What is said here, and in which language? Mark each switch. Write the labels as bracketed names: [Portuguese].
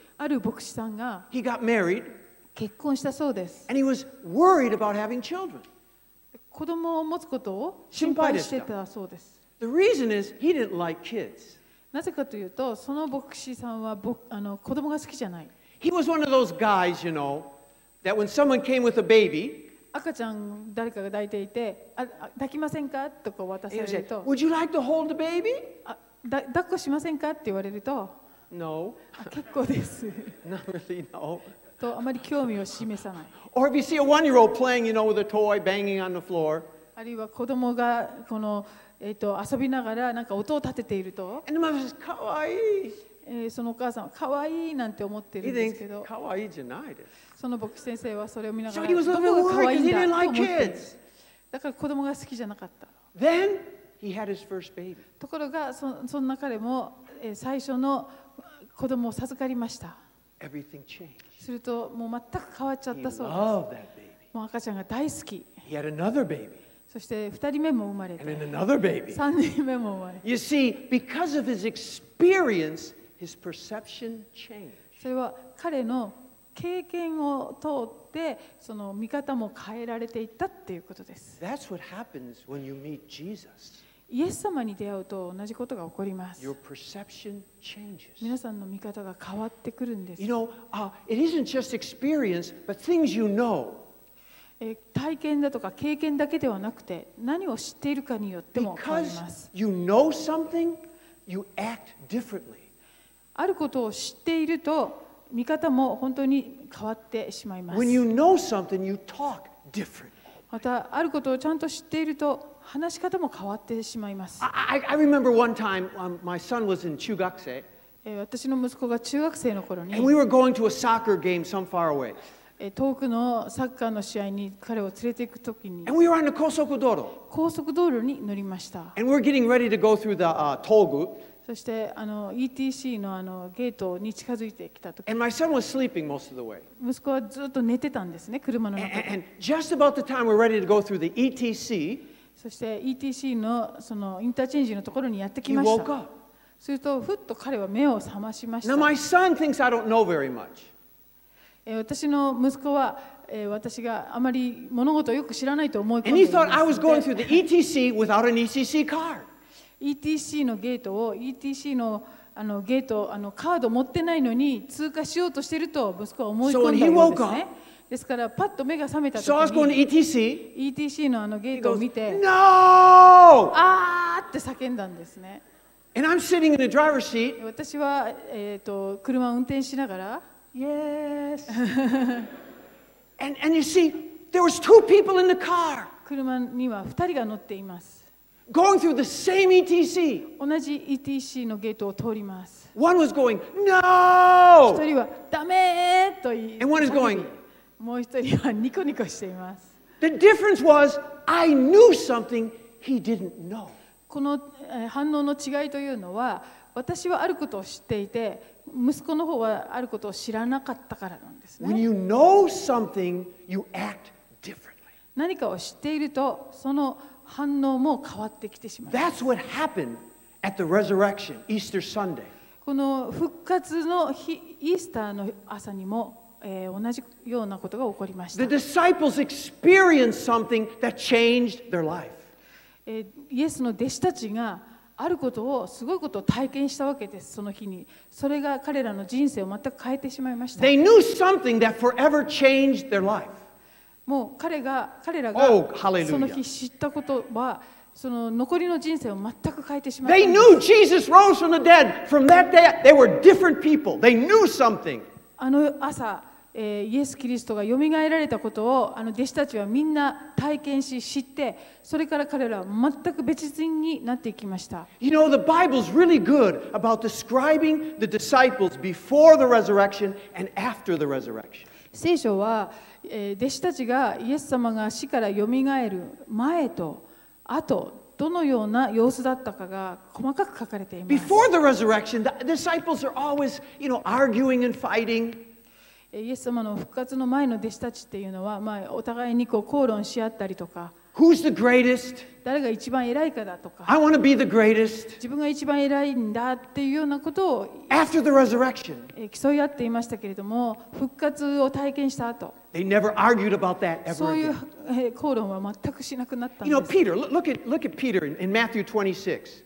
[Japanese] ある牧師さんが [English] He got married. [Japanese] 結婚したそうです [English] And he was worried about having children. [Japanese] 子供を持つことを心配してたそうです。 [English] The reason is he didn't like kids. [Japanese] なぜかというと、その牧師さんは子供が好きじゃない。 [English] He was one of those guys, you know, that when someone came with a baby, [Japanese] 赤ちゃん誰かが抱いていて、抱きませんかとこう渡されると、 [English] Would you like to hold the baby? [Japanese] 抱っこしませんかって言われると、 [English] No. [Japanese] 結構です。 [English] Not really, no. [Japanese] とあまり興味を示さない。 [English] Or if you see a one-year-old playing, you know, with a toy, banging on the floor. [Japanese] あるいは子供がこの遊びながらなんか音を立てていると、 [English] And the mother says, [Japanese] かわいい。そのお母さんはかわいいなんて思ってるんですけど、かわいいじゃないです。その牧師先生はそれを見ながら、どこがかわいいんだと思っている。だから子供が好きじゃなかった。 [English] Then he had his first baby. [Japanese] ところが、そんな彼も最初の子供を授かりました。 [English] Everything changed. [Japanese] するともう全く変わっちゃったそうです。 [English] He loved that baby. [Japanese] もう赤ちゃんが大好き。 [English] He had another baby. [Japanese] そして2人目も生まれて、 [English] And then another baby. [Japanese] 3人目も生まれて。 [English] You see, because of his experience, his perception changed. [Japanese] それは彼の経験を通ってその見方も変えられていったっていうことです。 [English] That's what happens when you meet Jesus. [Japanese] イエス様に出会うと同じことが起こります。 [English] Your perception changes. [Japanese] 皆さんの見方が変わってくるんです。 [English] You know, it isn't just experience, but things you know. [Japanese] 体験だとか経験だけではなくて何を知っているかによっても変わります。 [English] Because you know something, you act differently. [Japanese] あることを知っていると見方も本当に変わってしまいます。 [English] When you know something, you talk differently. [Japanese] またあることをちゃんと知っていると話し方も変わってしまいます。 [English] I remember one time, my son was in 中学生。 [Japanese] 私の息子が中学生の頃に、 [English] And we were going to a soccer game some far away. [Japanese] 遠くのサッカーの試合に彼を連れて行くときに、 [English] And we were on the 高速道路。 [Japanese] 高速道路に乗りました。 [English] And we're getting ready to go through the toll [Japanese] そしてETC の, ゲートに近づいてきたとき、 [English] And my son was sleeping most of the way. [Japanese] 息子はずっと寝てたんですね、車の中で。 [English] And just about the time we're ready to go through the ETC, [Japanese] そして ETC の, そのインターチェンジのところにやってきました。 [English] He woke up. [Japanese] するとふっと彼は目を覚ましました。 [English] Now my son thinks I don't know very much. [Japanese] 私の息子は私があまり物事をよく知らないと思い込んでいます。 [English] And he thought I was going through the ETC without an ECC card. [Japanese] ETC のゲートを ETC の, ゲートカード持ってないのに通過しようとしていると息子は思い込んだようですね。ですからパッと目が覚めた時に、 [English] So I was going to ETC. [Japanese] ETC の, ゲートを見て、 [English] He goes, No! [Japanese] あーって叫んだんですね。 [English] And I'm sitting in the driver's seat. [Japanese] 私は、車を運転しながら、 [English] Yes! and you see, there was two people in the car. [Japanese] 車には2人が乗っています。 [English] Going through the same ETC. [Japanese] 同じ ETC のゲートを通ります。 [English] One was going, no! [Japanese] 一人はダメと言って、 [English] And one is going, [Japanese] もう一人はニコニコしています。 [English] The difference was, I knew something he didn't know. [Japanese] この反応の違いというのは、私はあることを知っていて、息子の方はあることを知らなかったからなんですね。 [English] When you know something, you act differently. [Japanese] 何かを知っていると、その反応も変わってきてしまう。 [English] That's what happened at the resurrection, Easter Sunday. [Japanese] この復活の日、イースターの朝にも、同じようなことが起こりました。 [English] The disciples experienced something that changed their life. [Japanese] イエスの弟子たちがあることをすごいことを体験したわけです。その日に、それが彼らの人生を全く変えてしまいました。 [English] They knew something that forever changed their life. [Japanese] もう彼らがその日知ったことはその残りの人生を全く変えてしま [English] った。They knew Jesus rose from the dead. From that day, they were different people. They knew something. [Japanese] あの朝、イエス・キリストがよみがえられたことを弟子たちはみんな体験し知って、それから彼らは全く別人になっていきました。 [English] You know, the Bible's really good about describing the disciples before the resurrection and after the resurrection. [Japanese] 聖書は弟子たちがイエス様が死からよみがえる前と後どのような様子だったかが細かく書かれています。 [English] Before the resurrection, the disciples are always, you know, arguing and fighting. [Japanese] イエス様の復活の前の弟子たちっていうのは、まあ、お互いにこう口論し合ったりとか、 [English] Who's the greatest? [Japanese] 誰が一番偉いかだとか。 [English] I want to be the greatest. [Japanese] 自分が一番偉いんだっていうようなことを。 [English] After the resurrection. [Japanese] 競い合っていましたけれども、復活を体験した後。 [English] They never argued about that ever again. [Japanese] そういう口論は全くしなくなったんです。 [English] You know, Peter, look at Peter in Matthew 26.